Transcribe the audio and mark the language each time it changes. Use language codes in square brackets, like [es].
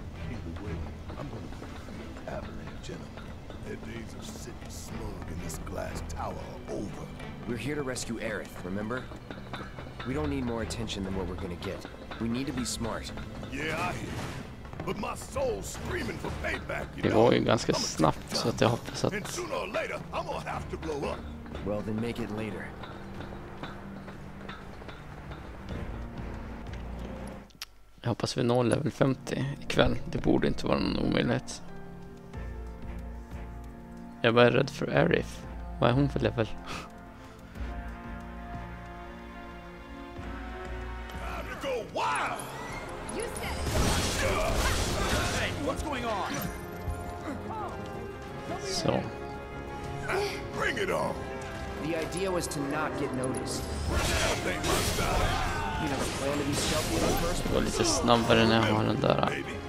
[en] Either way, I'm gonna put the fear of Avalanche, gentlemen. Their days of sitting smug in this glass tower. Over. We're here to rescue Aerith, remember? We don't need more attention than what we're gonna get. We need to be smart. Yeah, I hear. But my soul's screaming for payback, you know? [sv] Det går ju ganska snabbt, så att jag hoppas att... [en] And sooner or later, I'm gonna have to blow up. Well, then make it later. [sv] Jag hoppas vi når level 50 ikväll. Det borde inte vara någon omöjlighet. Jag var rädd för Aerith. Vad är hon för level? [en] Time to go wild! You said it! Hey, what's going on? So. Bring it on! The idea was to not get noticed. You never planned to be stealthy in the first place. [sv] Det var lite snabbare när jag har den där.